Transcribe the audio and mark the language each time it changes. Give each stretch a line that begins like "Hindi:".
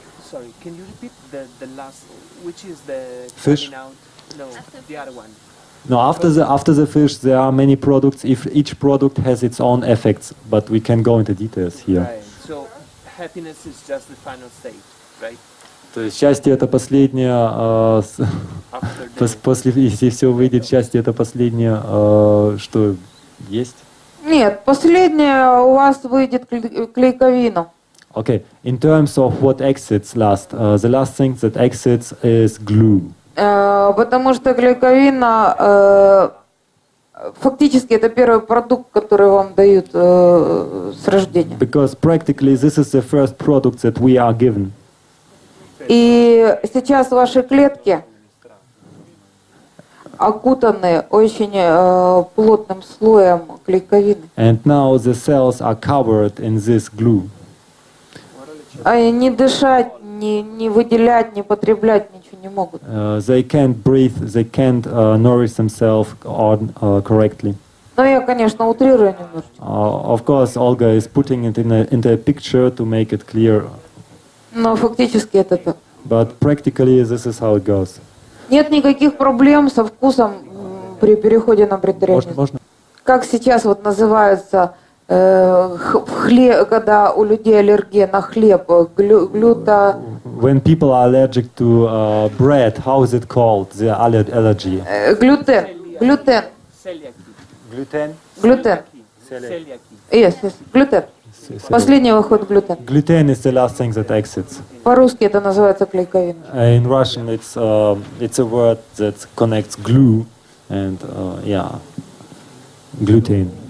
English: Sorry, can you repeat the last, which is the fish? No, the other one. No, after the fish, there are many products. If each product has its own effects, but we can go into details here. Right. So happiness is just the final state, right?
Russian: То есть счастье — это последнее, после, если все выйдет, счастье — это последнее, что есть? Нет, последнее у вас выйдет клейковина.
English: Okay, in terms of what exits last, the last thing that exits is glue.
Russian: Потому что клейковина, фактически, это первый продукт, который вам дают с рождения.
English: Because practically this is the first product that we are given.
Russian: И сейчас ваши клетки окутаны очень плотным слоем клейковины.
English: And now the cells are covered in this glue.
Russian: А не дышать, не выделять, не потреблять ничего не могут.
English: They can't breathe, they can't nourish themselves correctly.
Russian: Ну я, конечно, утрирую немножечко.
English: Of course, Olga is putting it into a picture to make it clear.
Russian: Но фактически это так.
English: But practically this is how it goes.
Russian: Нет никаких проблем со вкусом при переходе на предтреннюю. Можно? Как сейчас вот называется когда у людей аллергия на хлеб, глюта.
English: When people are allergic to bread, how is it called, the allergy?
Russian: Глютен. Глютен. Глютен. Глютен.
English: Yes, yes.
Russian: Глютен. Последний выход глютен.
English: Gluten is the last thing that exits.
Russian: По-русски это называется клейковина.
English: In Russian it's a word that connects glue and yeah, gluten.